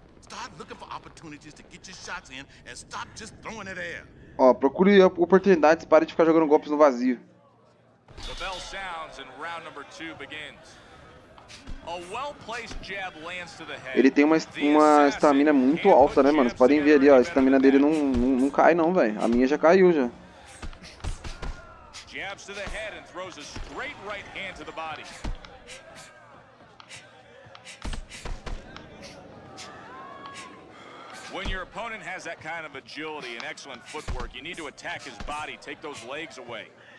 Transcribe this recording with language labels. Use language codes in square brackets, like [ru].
[en] Start looking for opportunities to get your shots in and stop just throwing it air. [pt] Ó, procure oportunidades, pare de ficar jogando golpes no vazio. [en] The bell sounds and round number two begins. A well-placed jab lands to the head. [pt] Ele tem uma estamina muito alta, né, mano? Vocês podem ver ali, ó, a estamina dele não cai não, velho. A minha já caiu já. [en] Jabs to the head and throws a straight right hand to the body. When your opponent has that kind of agility and excellent footwork, you need to attack his body, take those legs away.